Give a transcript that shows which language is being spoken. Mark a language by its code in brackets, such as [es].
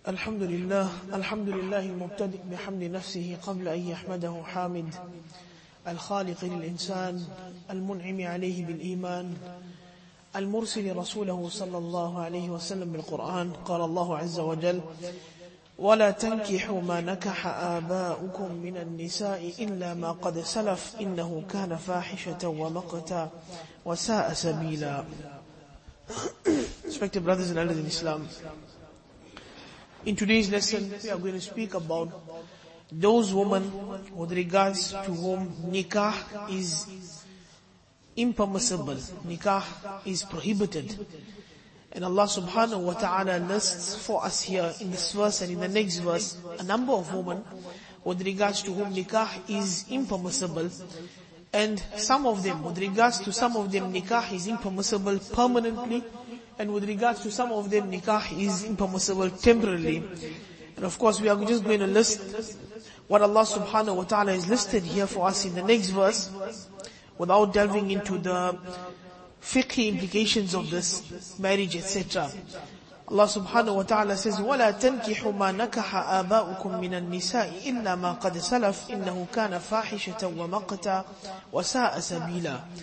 [ar] الحمد لله الحمد لله المبتدئ بحمد نفسه قبل أن يحمده حامد الخالق للإنسان المنعم عليه بالإيمان المرسل رسوله صلى الله عليه وسلم بالقرآن. قال الله عز وجل: ولا تنكحوا ما نكح آباؤكم من النساء إلا ما قد سلف إنه كان فاحشة ومقتا وساء سبيلا. [en] Respected brothers and elders in Islam, in today's lesson, we are going to speak about those women with regards to whom nikah is impermissible, nikah is prohibited. And Allah subhanahu wa ta'ala lists for us here in this verse and in the next verse a number of women with regards to whom nikah is impermissible. And some of them, with regards to some of them, nikah is impermissible permanently. And with regards to some of them, nikah is impermissible temporarily. And of course, we are just going to list what Allah subhanahu wa ta'ala has listed here for us in the next verse without delving into the fiqh implications of this marriage, etc. Allah subhanahu wa ta'ala says, [ar] وَلَا تَنْكِحُ مَا نَكَحَ آبَاؤُكُمْ مِنَ النِّسَاءِ إِلَّا مَا قَدْ سَلَفْ إِنَّهُ كَانَ فَاحِشَةً وَمَقْتًا وَسَاءَ سَبِيلًا.